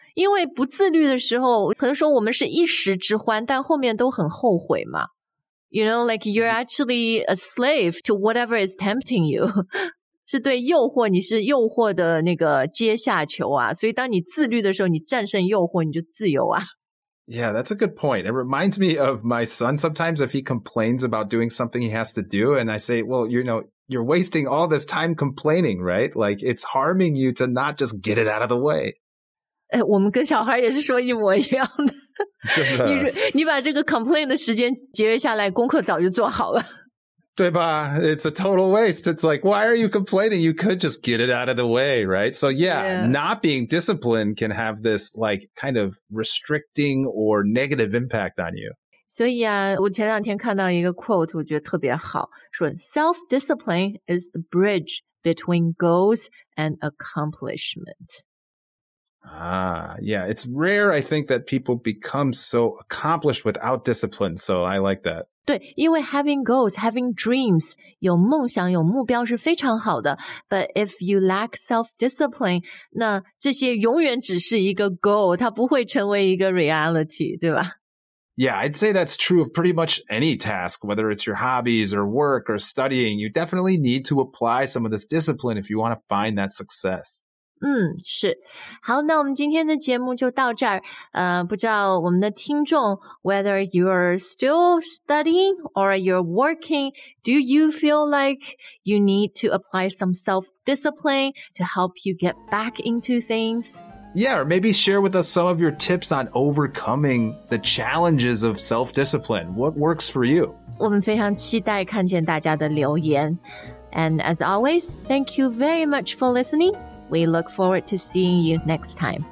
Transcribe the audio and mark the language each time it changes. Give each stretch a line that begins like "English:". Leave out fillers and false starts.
Chinese: 因为不自律的时候，可能说我们是一时之欢，但后面都很后悔嘛。
English: You know, like you're actually a slave to whatever is tempting you.
Chinese: 是对诱惑，你是诱惑的那个阶下囚啊。所以当你自律的时候，你战胜诱惑，你就自由啊。
English: Yeah, that's a good point. It reminds me of my son sometimes if he complains about doing something he has to do. And I say, well, you know, you're wasting all this time complaining, right? Like it's harming you to not just get it out of the way.
Chinese: 哎，我们跟小孩也是说一模一样的。你把这个 complain 的时间节约下来，功课早就做好了，对吧？
English: It's a total waste. It's like, why are you complaining? You could just get it out of the way, right? So yeah, not being disciplined can have this like kind of restricting or negative impact on you.
Chinese: 所以啊，我前两天看到一个 quote， 我觉得特别好，说
English: self-discipline is the bridge between goals and accomplishment. Yeah, it's rare, I think, that people become so accomplished without discipline, so I like that.
Chinese: 对，因为
English: having goals, having dreams,
Chinese: 有梦想，有目标是非常好的。
English: But if you lack self-discipline,
Chinese: 那这些永远只是一个 goal, 它不会成为一个 reality, 对吧？
English: Yeah, I'd say that's true of pretty much any task, whether it's your hobbies or work or studying. You definitely need to apply some of this discipline if you want to find that success.
Chinese: 嗯，是。好，那我们今天的节目就到这儿。不知道我们的听众
English: whether you're still studying or you're working, do you feel like you need to apply some self-discipline to help you get back into things? Yeah, or maybe share with us some of your tips on overcoming the challenges of self-discipline. What works for you?
Chinese: 我们非常期待看见大家的留言。
English: And as always, thank you very much for listening. We look forward to seeing you next time.